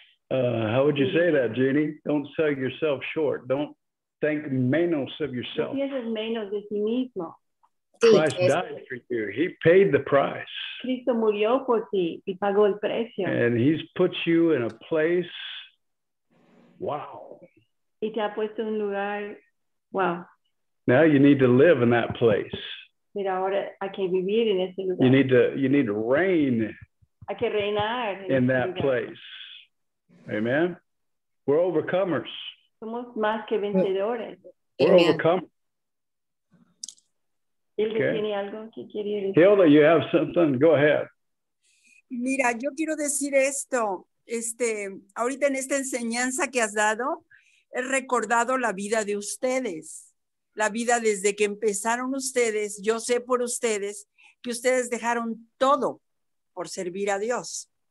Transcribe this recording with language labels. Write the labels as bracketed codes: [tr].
[en] How would you say that, Jeannie? Don't sell yourself short. Don't think menos of yourself. [es] No pienses menos de sí mismo. [en] Christ died for you. He paid the price. [es] Cristo murió por ti y pagó el precio. [en] And He's put you in a place. Wow. [es] Y te ha puesto un lugar, wow. [en] Now you need to live in that place. [es] Mira, ahora hay que vivir en ese lugar. [en] You need to reign. [es] Hay que reinar [en] in that lugar. Place. Amen. We're overcomers. [es] Somos más que vencedores. [en] Yeah. We're overcomers. Okay. Hilda, you have something. Go ahead. [es] Mira, yo quiero decir esto. Ahorita en esta enseñanza que has dado, he recordado la vida de ustedes. La vida desde que empezaron ustedes, yo sé por ustedes, que ustedes dejaron todo por servir a Dios.